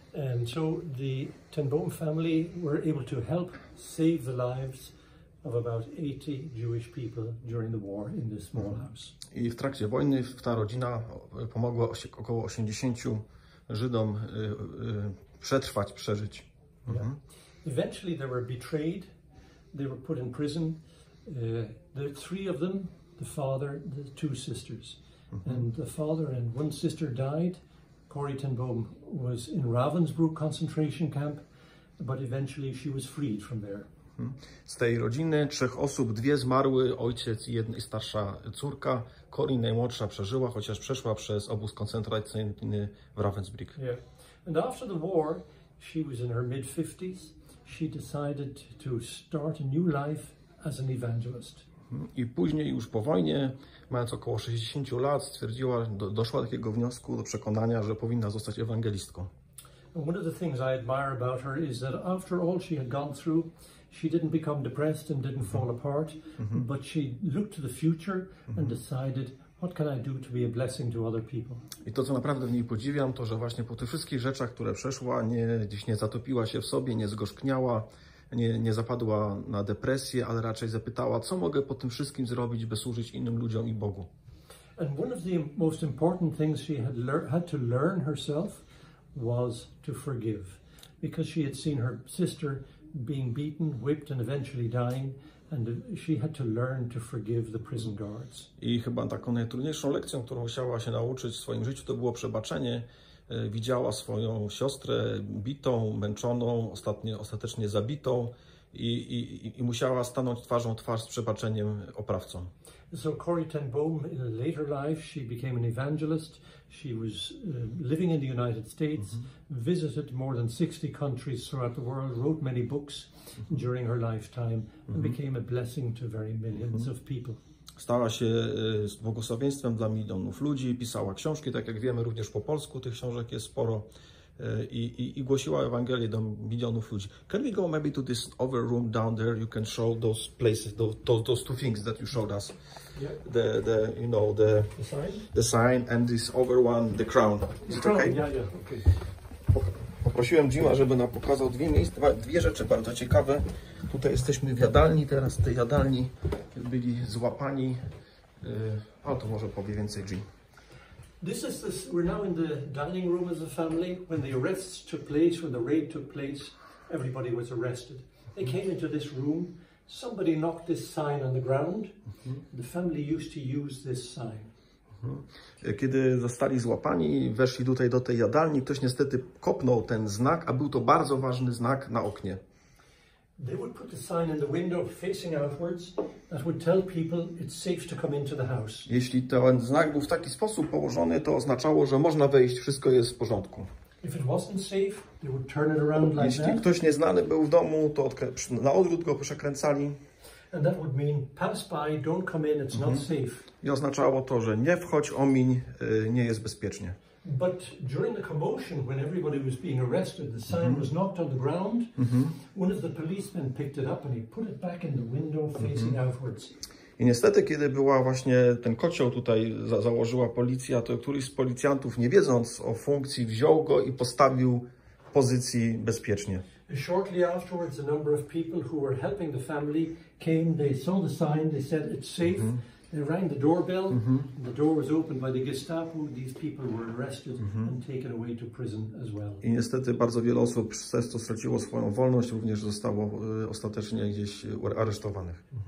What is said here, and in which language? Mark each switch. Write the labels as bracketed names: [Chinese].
[English] And so the Ten Boom family were able to help save the lives of about 80 Jewish people during the war in this small house. [Polish] I w trakcie wojny ta rodzina pomogła około 80 Żydom przetrwać, przeżyć. [English] Mm-hmm. Yeah. Eventually they were betrayed, they were put in prison. There are three of them, the father, the two sisters. Mm-hmm. And the father and one sister died. Corrie Ten Boom was in Ravensbrück concentration camp, but eventually she was freed from there. Mm-hmm. [Polish] Z tej rodziny trzech osób, dwie zmarły, ojciec i jedna starsza córka. Corrie, najmłodsza, przeżyła, chociaż przeszła przez obóz koncentracyjny w Ravensbrück. [English] Yeah. And after the war, she was in her mid-50s. She decided to start a new life as an evangelist. [Polish] I później już po wojnie, mając około 60 lat, stwierdziła, doszła do takiego wniosku, do przekonania, że powinna zostać ewangelistką. [English] One of the things I admire about her is that after all she had gone through, she didn't become depressed and didn't fall apart, but she looked to the future and decided, what can I do to be a blessing to other people? [Polish] I to, co naprawdę w niej podziwiam, to, że właśnie po tych wszystkich rzeczach, które przeszła, nie zatopiła się w sobie, nie zgorzkniała, nie zapadła na depresję, ale raczej zapytała, co mogę po tym wszystkim zrobić, by służyć innym ludziom i Bogu. [English] And one of the most important things she had had to learn herself was to forgive, because she had seen her sister being beaten, whipped and eventually dying, and she had to learn to forgive the prison guards. [Polish] I chyba taką najtrudniejszą lekcją, którą musiała się nauczyć w swoim życiu, to było przebaczenie. Widziała swoją siostrę bitą, męczoną, ostatecznie zabitą i musiała stanąć twarzą w twarz z przebaczeniem oprawcą. [English] So Corrie Ten Boom, in later life, she became an evangelist. She was living in the United States, visited more than 60 countries throughout the world, wrote many books during her lifetime and became a blessing to very millions of people. [Polish] Stała się błogosławieństwem dla milionów ludzi, pisała książki, tak jak wiemy, również po polsku tych książek jest sporo i głosiła Ewangelię do milionów ludzi. [English] Can we go maybe to this other room down there? You can show those places, those two things that you showed us. Yeah. The you know, the sign? The sign and this other one, the crown. Is the it crown. Okay? Yeah, yeah. Okay. [Polish] Poprosiłem Jima, żeby nam pokazał dwie rzeczy bardzo ciekawe. Tutaj jesteśmy w jadalni, teraz w tej jadalni byli złapani. A to może powie więcej Jim. [English] We're now in the dining room of the family. When the arrests took place, when the raid took place, everybody was arrested. They came into this room, somebody knocked this sign on the ground. The family used to use this sign. [Polish] Kiedy zostali złapani, weszli tutaj do tej jadalni, ktoś niestety kopnął ten znak, a był to bardzo ważny znak na oknie. [English] They would put the sign in the window facing outwards that would tell people it's safe to come into the house. [Polish] Jeśli ten znak był w taki sposób położony, to oznaczało, że można wejść, wszystko jest w porządku. [English] If it wasn't safe, they would turn it around like [Polish] Jeśli ktoś nieznany był w domu, to na odwrót go przekręcali. [English] And that would mean pass by, don't come in, it's not safe. [Polish] I oznaczało to, że nie wchodź, omiń, nie jest bezpiecznie. [English] But during the commotion, when everybody was being arrested, the sign was knocked on the ground. One of the policemen picked it up and he put it back in the window facing outwards. [Polish] I niestety, kiedy była właśnie ten kocioł tutaj założyła policja, to któryś z policjantów, nie wiedząc o funkcji, wziął go i postawił w pozycji bezpiecznie. [English] Shortly afterwards, a number of people who were helping the family came. They saw the sign. They said it's safe. They rang the doorbell. The door was opened by the Gestapo. These people were arrested and taken away to prison as well. [Polish] I niestety bardzo wiele osób przez to straciło swoją wolność, również zostało ostatecznie gdzieś aresztowanych.